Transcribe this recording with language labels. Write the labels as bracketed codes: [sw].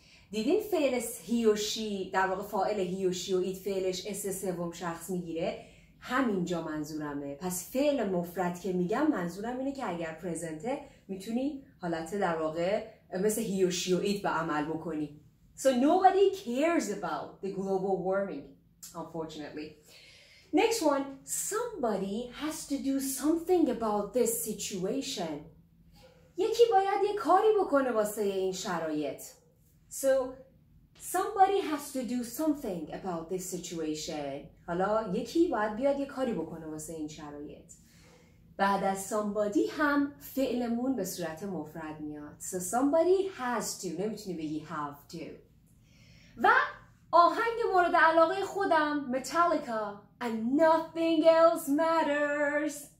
[fa] دیدین فعل هی و شی، در واقع فاعل هی و شی و ایت، فعلش اس سوم شخص میگیره. همینجا منظورمه. پس فعل مفرد که میگم منظورم اینه که اگر پرزنته میتونی حالت در واقع مثل هی و شی و ایت به عمل بکنی. [en] So nobody cares about the global warming, unfortunately. Next one, somebody has to do something about this situation. [fa] یکی باید یه کاری بکنه واسه این شرایط. [en] So somebody has to do something about this situation. [fa] حالا یکی باید بیاد یه کاری بکنه واسه این شرایط. بعد از somebody هم فعلمون به صورت مفرد میاد. [en] So somebody has to. [fa] نمیتونی بگی [en] have to. [fa] و آهنگ مورد علاقه خودم، Metallica، and nothing else matters.